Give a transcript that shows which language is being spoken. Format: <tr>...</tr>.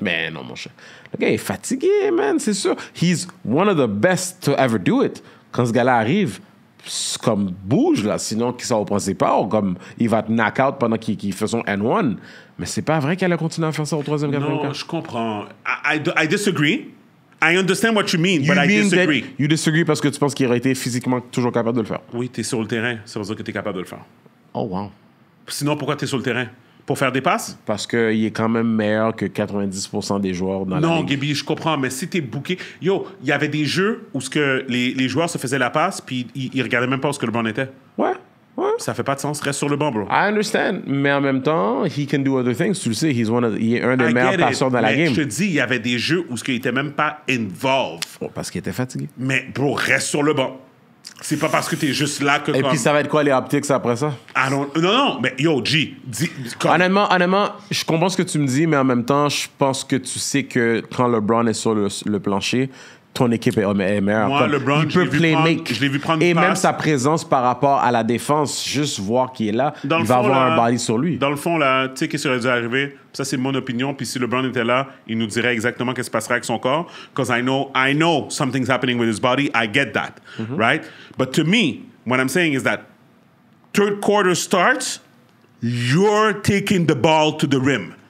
<fr>Mais non, mon cher, le gars est fatigué, man. C'est sûr,</fr> <en>he's one of the best to ever do it.</en> <fr>Quand ce gars-là arrive, c'est comme bouge là, sinon qu'il s'en repense pas, ou comme il va te knock out pendant qu'il fait son N1. Mais c'est pas vrai qu'elle a continué à faire ça au troisième, quatrième quart. Non, je comprends.</fr> <en>I disagree. I understand what you mean, you but mean I disagree. You disagree</en> <fr>parce que tu penses qu'il aurait été physiquement toujours capable de le faire. Oui, t'es sur le terrain. C'est pour ça que t'es capable de le faire. Oh, wow. Sinon, pourquoi t'es sur le terrain? Pour faire des passes? Parce qu'il est quand même meilleur que 90% des joueurs dans non, la ligue. Non, Gaby, je comprends, mais si t'es booké... Yo, il y avait des jeux où que les joueurs se faisaient la passe puis ils regardaient même pas où ce que le banc était. Ouais. Ouais. Ça fait pas de sens. Reste sur le banc, bro.</fr> <en>I understand.</en> <fr>Mais en même temps,</fr> <en>he can do other things.</en> <fr>Tu le sais, il est un des meilleurs passeurs dans la game. Je te dis, il y avait des jeux où il était même pas involved. Oh, parce qu'il était fatigué. Mais bro, reste sur le banc. C'est pas parce que t'es juste là que... Et comme... puis ça va être quoi les optics après ça? Non. Mais yo, G. Comme... Honnêtement, je comprends ce que tu me dis, mais en même temps, je pense que tu sais que quand LeBron est sur le plancher... Ton équipe est meilleure. Moi, LeBron, je l'ai vu prendre une passe. Et même sa présence par rapport à la défense, juste voir qu'il est là, il va avoir un body sur lui. Dans le fond, là, tu sais, qu'est-ce qui aurait dû arriver? Ça, c'est mon opinion. Puis si LeBron était là, il nous dirait exactement qu'est-ce qui se passerait avec son corps.</fr> <en>Because I know something's happening with his body. I get that. Mm-hmm. Right? But to me, what I'm saying is that third quarter starts, you're taking the ball to the rim.</en>